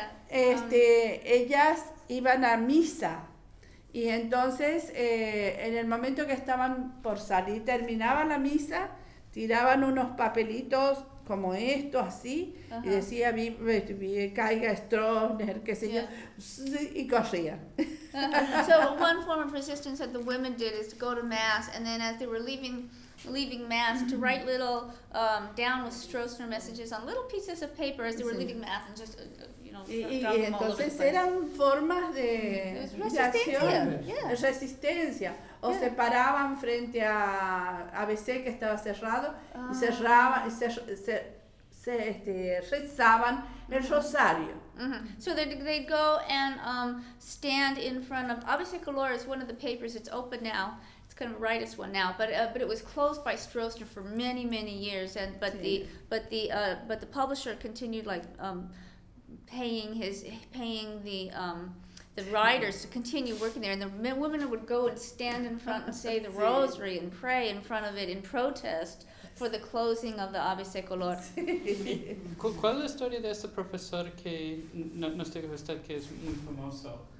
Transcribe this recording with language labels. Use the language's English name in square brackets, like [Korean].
[Spanish] Ellas iban a misa y entonces en el momento que estaban por salir, terminaba la misa, tiraban unos papelitos como esto, así, uh-huh, y decía, caiga Stroessner, qué sé yo, y corría. [English] So one form of resistance that the women did is to go to mass, and then as they were leaving mass, to write little, down with Stroessner messages on little pieces of paper as they were leaving mass, and just, [Spanish] Y entonces eran formas de acción, resistencia. O se paraban frente a ABC, que estaba cerrado, y cerraban, y se rezaban el rosario. [English] So they'd go and stand in front of ABC Color, is one of the papers, it's open now. Kind of write us one now, but it was closed by Stroessner for many, many years, and but the publisher continued paying the writers to continue working there, and the women would go and stand in front and say the rosary and pray in front of it in protest for the closing of the ABC Color. [Spanish] ¿Cuál es la historia de ese profesor que no sé qué usted que es muy famoso?